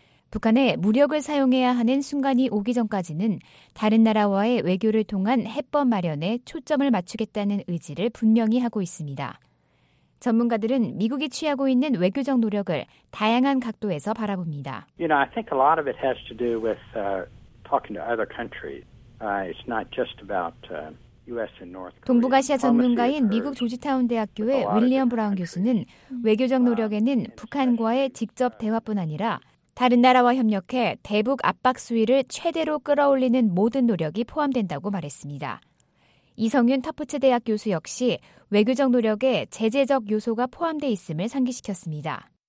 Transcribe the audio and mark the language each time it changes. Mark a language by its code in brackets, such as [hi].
[ko] 북한에 무력을 사용해야 하는 순간이 오기 전까지는 다른 나라와의 외교를 통한 해법 마련에 초점을 맞추겠다는 의지를 분명히 하고 있습니다. 전문가들은 미국이 취하고 있는 외교적 노력을 다양한 각도에서 바라봅니다. [en] You know, I think a lot of it has to do with talking to other countries. It's not just about [ko] 동북아시아 전문가인 미국 조지타운 대학교의 윌리엄 브라운 교수는 외교적 노력에는 북한과의 직접 대화뿐 아니라 다른 나라와 협력해 대북 압박 수위를 최대로 끌어올리는 모든 노력이 포함된다고 말했습니다. 이성윤 터프츠 대학 교수 역시 외교적 노력에 제재적 요소가 포함돼 있음을 상기시켰습니다.